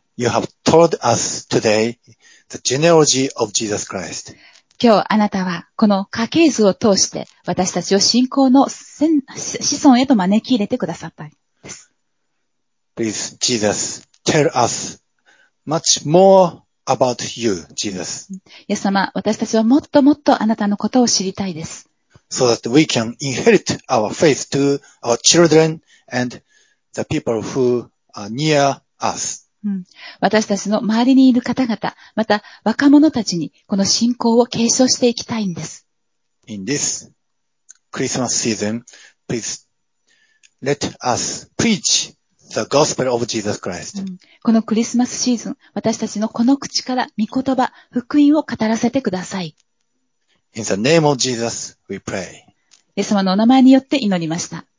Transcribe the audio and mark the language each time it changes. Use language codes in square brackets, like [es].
[en] You have told us today,The genealogy of Jesus Christ. [ja] 今日あなたはこの家系図を通して私たちを信仰の子孫へと招き入れてくださったんです。 [en] Please, Jesus, tell us much more about you, Jesus. [ja] イエス様、私たちはもっともっとあなたのことを知りたいです。 [en] So that we can inherit our faith to our children and the people who are near us. [ja] 私たちの周りにいる方々、また若者たちにこの信仰を継承していきたいんです。 [en] In this Christmas season, please let us preach the gospel of Jesus Christ. [ja] このクリスマスシーズン、私たちのこの口から御言葉、福音を語らせてください。 [en] In the name of Jesus, we pray. [ja] イエス様のお名前によって祈りました。